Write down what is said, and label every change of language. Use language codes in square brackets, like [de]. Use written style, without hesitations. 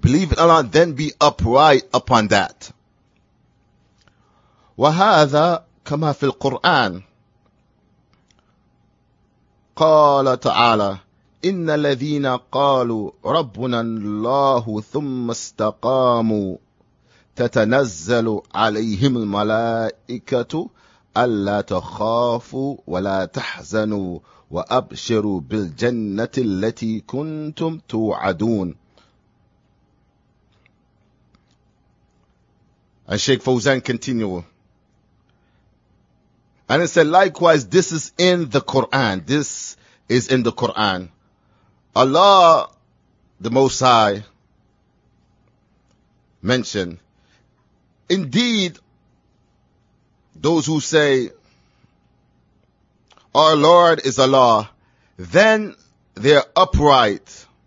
[en] Believe in Allah, then be upright upon that. [ar] وهذا كما في القرآن قال تعالى إن الذين قالوا ربنا الله ثم استقاموا تتنزل عليهم الملائكة ألا تخافوا ولا تحزنوا وأبشروا بالجنة التي كنتم توعدون. [en] And Sheikh Fawzan continued, and it said, likewise, this is in the Quran. This is in the Quran. Allah, the Most High, mentioned, indeed, those who say, our Lord is Allah, then they're upright.